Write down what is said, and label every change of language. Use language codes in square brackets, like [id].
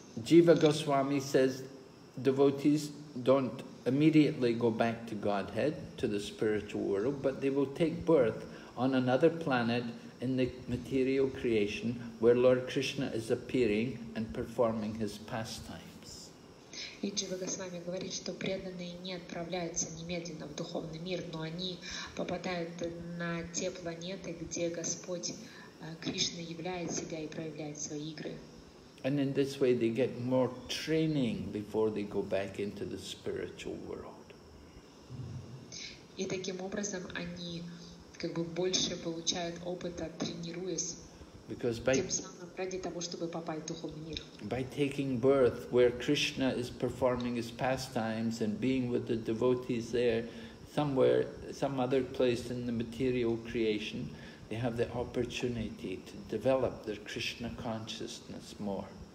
[en] Jiva Goswami says devotees don't immediately go back to Godhead, to the spiritual world, but they will take birth on another planet in the material creation where Lord Krishna is appearing and performing his pastimes. [ru] И Джива Госвами говорит, что преданные не отправляются немедленно в духовный мир, но они попадают на те планеты, где Господь Кришна являет себя и проявляет свои игры. [en] And in this way, they get more training before they go back into the spiritual world. [ru] И таким образом они как бы больше получают опыта, тренируясь. [en] Because by [ru] тем самым ради того, чтобы попасть в духовный мир. [en] By taking birth where Krishna is performing his pastimes and being with the devotees there, somewhere, some other place in the material creation, they have the opportunity to develop their Krishna consciousness more.